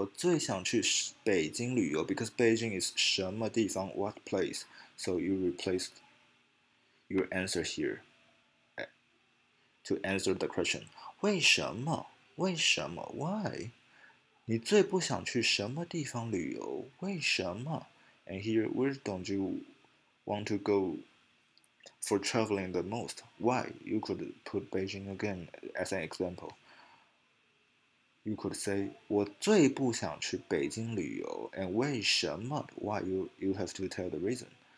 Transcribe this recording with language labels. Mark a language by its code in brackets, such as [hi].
[zh] 我最想去北京旅游, [en] because Beijing is [zh] 什么地方, [en] what place? So you replaced your answer here to answer the question. [zh] 为什么? [en] Why? [zh] 你最不想去什么地方旅游? 为什么? [en] And here, where don't you want to go for traveling the most? Why? You could put Beijing again as an example. You could say, [zh] 我最不想去北京旅游. [en] And [zh] 为什么? [en] Why? You have to tell the reason.